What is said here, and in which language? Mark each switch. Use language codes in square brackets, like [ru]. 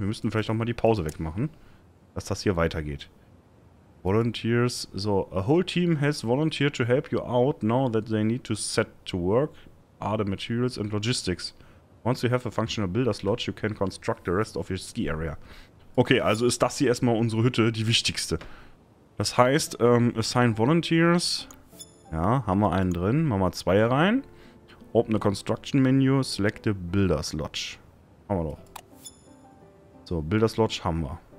[de] Wir müssten vielleicht auch mal die Pause wegmachen, dass das hier weitergeht. [en] Volunteers. So, a whole team has volunteered to help you out now that they need to set to work. Are the materials and logistics. Once you have a functional builder's lodge, you can construct the rest of your ski area. [de] Okay, also ist das hier erstmal unsere Hütte, die wichtigste. Das heißt, [en] assign volunteers. [de] Ja, haben wir einen drin. Machen wir zwei rein. [en] Open the Construction Menu, select the Builder's Lodge. [de] Haben wir doch. So, Builder's Lodge haben wir.